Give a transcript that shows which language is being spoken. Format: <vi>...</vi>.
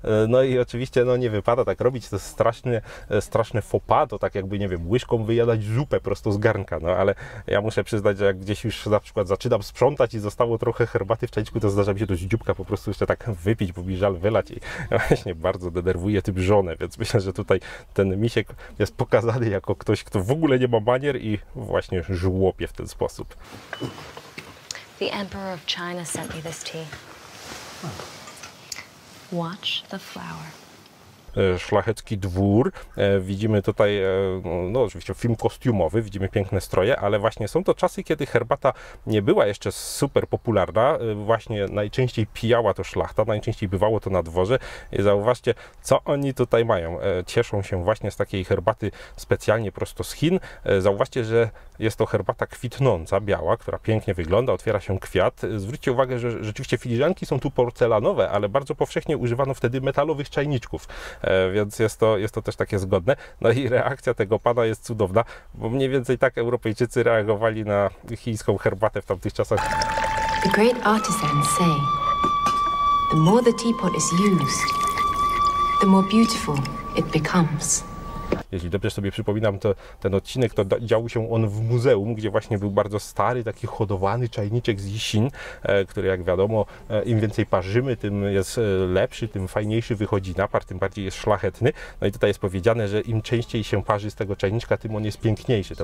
<pl>No i oczywiście no, nie wypada tak robić, to jest straszne faux pas, to tak jakby, nie wiem, łyżką wyjadać zupę prosto z garnka, no ale ja muszę przyznać, że jak gdzieś już na przykład zaczynam sprzątać i zostało trochę herbaty w czajniczku, to zdarza mi się dość dzióbka po prostu jeszcze tak wypić, bo mi żal wylać i właśnie bardzo denerwuje tym żonę, więc myślę, że tutaj ten misiek jest pokazany jako ktoś, kto w ogóle nie ma manier i właśnie żłopie w ten sposób.</pl> <en>The Emperor of China sent me this tea. Watch the flower.</en> <pl>Szlachecki dwór. Widzimy tutaj, no oczywiście film kostiumowy, widzimy piękne stroje, ale właśnie są to czasy, kiedy herbata nie była jeszcze super popularna. Właśnie najczęściej pijała to szlachta, najczęściej bywało to na dworze. I zauważcie, co oni tutaj mają. Cieszą się właśnie z takiej herbaty specjalnie prosto z Chin. Zauważcie, że jest to herbata kwitnąca, biała, która pięknie wygląda, otwiera się kwiat. Zwróćcie uwagę, że rzeczywiście filiżanki są tu porcelanowe, ale bardzo powszechnie używano wtedy metalowych czajniczków. Więc jest to też takie zgodne. No i reakcja tego pana jest cudowna, bo mniej więcej tak Europejczycy reagowali na chińską herbatę w tamtych czasach.</pl> <en>The great artisans say, the more the teapot is used, the more beautiful it becomes.</en> <pl>Jeśli dobrze sobie przypominam, to ten odcinek, to działo się on w muzeum, gdzie właśnie był bardzo stary, taki hodowany czajniczek z jesień, który jak wiadomo, im więcej parzymy, tym jest lepszy, tym fajniejszy wychodzi napar, tym bardziej jest szlachetny. No i tutaj jest powiedziane, że im częściej się parzy z tego czajniczka, tym on jest piękniejszy.</pl>